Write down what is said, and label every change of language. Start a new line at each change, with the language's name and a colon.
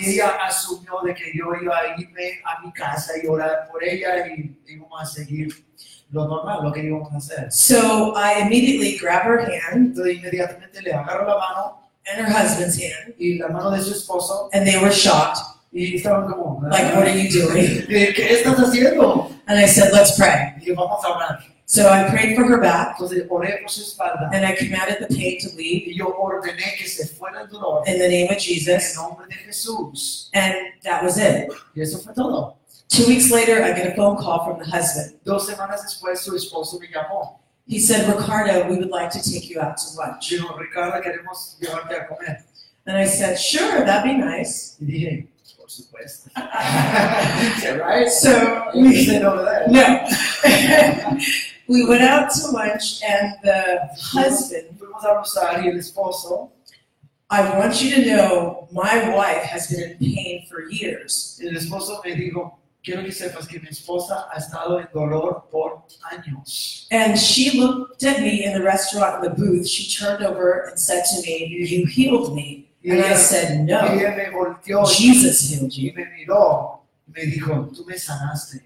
Spanish: Y ella asumió de que yo iba a irme a mi casa y orar por ella, y íbamos a seguir lo normal, lo que íbamos a hacer.
English: So I immediately grab her hand.
Spanish: Entonces inmediatamente le agarro la mano.
English: And her husband's hand.
Spanish: Y la mano de su esposo.
English: And they were shocked.
Spanish: Y estaban como,
English: like, what are you doing?
Spanish: ¿Qué estás haciendo?
English: And I said, let's pray.
Spanish: Y vamos a orar.
English: So I prayed for her back.
Spanish: Entonces, oré por su espalda,
English: and I commanded the pain to leave.
Spanish: Y yo ordené que se fuera el dolor,
English: in the name of Jesus.
Spanish: En nombre de Jesús.
English: And that was it.
Spanish: Y eso fue todo.
English: 2 weeks later, I get a phone call from the husband.
Spanish: 2 semanas después, su esposo me llamó.
English: He said, Ricardo, we would like to take you out to lunch.
Spanish: Dijo, Ricardo, queremos llevarte a comer.
English: And I said, sure, that'd be nice.
Spanish: Y dije, por supuesto.
English: Right? So we said over there. No. We went out to lunch, and the husband,
Spanish: fuimos a almorzar, y el esposo,
English: I want you to know, my wife has been in pain for years.
Spanish: El esposo me dijo, quiero que sepas que mi esposa ha estado en dolor por años.
English: And she looked at me in the restaurant in the booth. She turned over and said to me, you healed me.
Spanish: Y ella,
English: and I said, no,
Spanish: y ella me volteó,
English: Jesus healed you.
Spanish: Y me miró, me dijo, tú me sanaste.